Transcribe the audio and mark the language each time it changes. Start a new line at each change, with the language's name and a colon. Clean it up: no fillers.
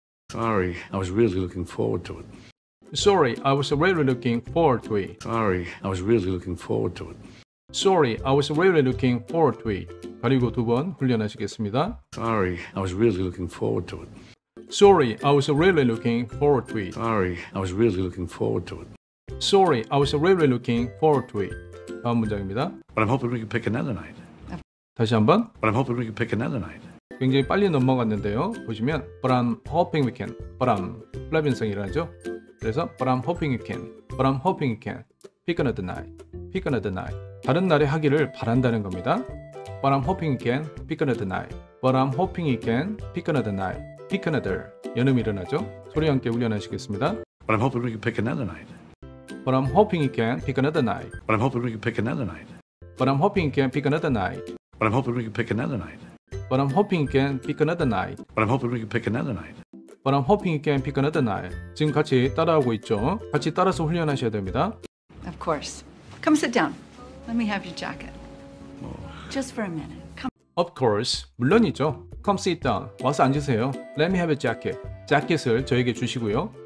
English: Sorry, I was really looking forward to it. Sorry, I was really looking forward to it. Sorry, I was really looking forward to it. Sorry, I was really looking forward to it.
Korean: 그리고 두 번 훈련하시겠습니다.
English: Sorry, I was really looking forward to it. Sorry, I was really looking forward to it. Sorry, I was really looking forward to it. Sorry, I was really looking forward to it.
Korean: 다음 문장입니다.
English: But I'm hoping we can pick another night.
Korean: 다시 한 번.
English: But I'm hoping we can pick another night.
Korean: 굉장히 빨리 넘어갔는데요. 보시면
English: But I'm hoping we can. But I'm
Korean: 플랩인성이라죠. 그래서
English: But I'm hoping we can. But I'm hoping we can. Pick another night. Pick another night.
Korean: 다른 날에 하기를 바란다는 겁니다.
English: But I'm hoping you can pick another night. But I'm hoping you can pick another night. Pick another.
Korean: 연음이 일어나죠? 소리 함께 훈련하시겠습니다.
English: But I'm hoping we can pick another night. But I'm hoping you can pick another night. But I'm hoping we can pick another night. But I'm hoping you can pick another night. But I'm hoping we can pick another night. But I'm hoping you can pick another night. But I'm hoping we can pick another night. But I'm hoping you can pick another night.
Korean: 지금 같이 따라하고 있죠? 같이 따라서 훈련하셔야 됩니다.
English: Of course. Come sit down. Let me have your jacket. Just for a minute. Come. Of course.
Korean: 물론이죠.
English: Come sit down.
Korean: 와서 앉으세요.
English: Let me have your jacket.
Korean: 자켓을 저에게 주시고요.